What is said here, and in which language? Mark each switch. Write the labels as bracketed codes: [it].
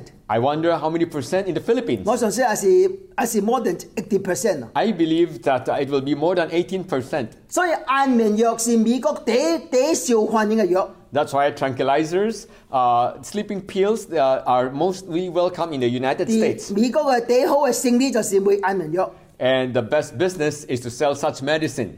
[en] I wonder how many percent in the Philippines. More than 80%. I believe that it will be more than 18%. [nan] 所以安眠药是美国第一受欢迎的药。 [en] That's why tranquilizers, sleeping pills are mostly welcome in the United States. [nan] 美国的第一好的生意就是卖安眠药。 [en] And the best business is to sell such medicine.